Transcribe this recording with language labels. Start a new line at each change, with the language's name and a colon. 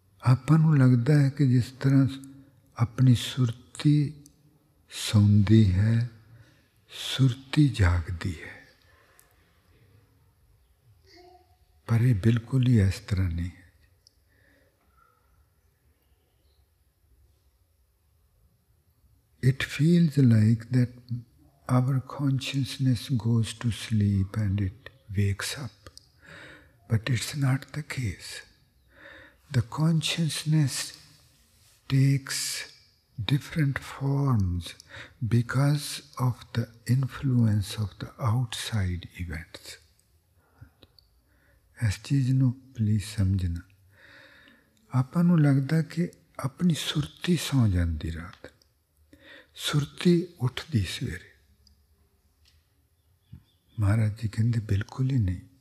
Punjabi: ਆਪਾਂ ਨੂੰ ਲੱਗਦਾ ਹੈ ਕਿ ਜਿਸ ਤਰ੍ਹਾਂ ਆਪਣੀ ਸੁਰਤੀ ਸੌਂਦੀ ਹੈ ਸੁਰਤੀ ਜਾਗਦੀ ਹੈ ਪਰ ਇਹ ਬਿਲਕੁਲ ਹੀ ਇਸ ਤਰ੍ਹਾਂ ਨਹੀਂ ਹੈ
English: It feels like that our consciousness goes to sleep and it wakes up. But it's not the case. The consciousness takes different forms because of the influence of the outside events.
Punjabi: ਇਸ ਚੀਜ਼ ਨੂੰ ਪਲੀਜ਼ ਸਮਝਣਾ। ਆਪਾਂ ਨੂੰ ਲੱਗਦਾ ਕਿ ਆਪਣੀ ਸੁਰਤੀ ਸੌਂ ਜਾਂਦੀ ਰਾਤ, ਸੁਰਤੀ ਉੱਠਦੀ ਸਵੇਰੇ। ਮਹਾਰਾਜ ਜੀ ਕਹਿੰਦੇ ਬਿਲਕੁਲ ਹੀ ਨਹੀਂ।